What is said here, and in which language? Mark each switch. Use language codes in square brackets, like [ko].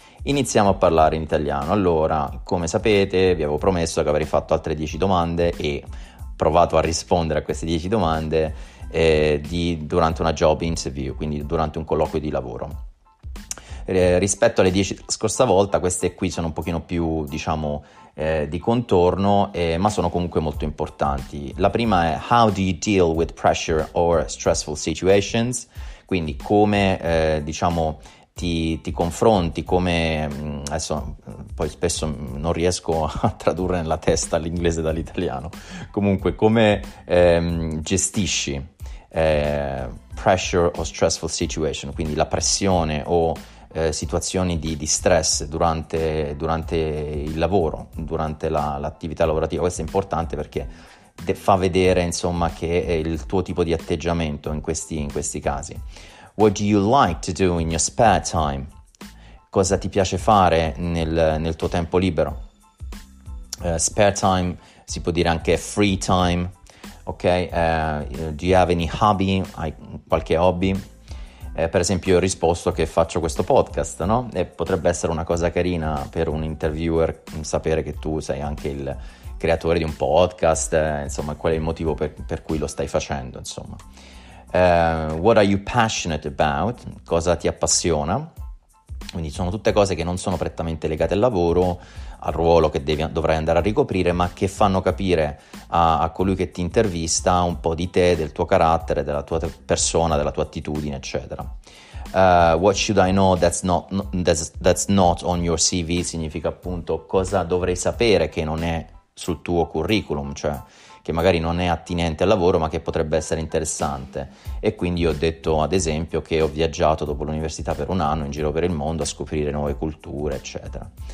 [it] Iniziamo a parlare in italiano. Allora, come sapete, vi avevo promesso che avrei fatto altre 10 domande e provato a rispondere a queste 10 domande durante una job interview, quindi durante un colloquio di lavoro. Rispetto alle 10 scorsa volta, queste qui sono un pochino più, diciamo, di contorno, ma sono comunque molto importanti. La prima è: [en] how do you deal with pressure or stressful situations? [it] Quindi come, diciamo, ti confronti, come, adesso poi spesso non riesco a tradurre nella testa l'inglese dall'italiano, comunque come gestisci [en] pressure or stressful situation, [it] quindi la pressione o situazioni di stress durante il lavoro, durante l'attività lavorativa. Questo è importante perché fa vedere, insomma, che è il tuo tipo di atteggiamento in questi casi. [en] What do you like to do in your spare time? [it] Cosa ti piace fare nel tuo tempo libero? Spare time si può dire anche free time, ok? [en] Do you have any hobby? [it] Hai qualche hobby? Per esempio, ho risposto che faccio questo podcast, no? E potrebbe essere una cosa carina per un interviewer sapere che tu sei anche il creatore di un podcast, insomma, qual è il motivo per cui lo stai facendo, insomma. [en] What are you passionate about? [it] Cosa ti appassiona? Quindi sono tutte cose che non sono prettamente legate al lavoro, al ruolo che dovrai andare a ricoprire, ma che fanno capire a colui che ti intervista un po' di te, del tuo carattere, della tua persona, della tua attitudine, eccetera. [en] What should I know that's not on your CV? [it] Significa appunto cosa dovrei sapere che non è sul tuo curriculum, cioè che magari non è attinente al lavoro ma che potrebbe essere interessante. E quindi ho detto, ad esempio, che ho viaggiato dopo l'università per un anno in giro per il mondo a scoprire nuove culture, eccetera.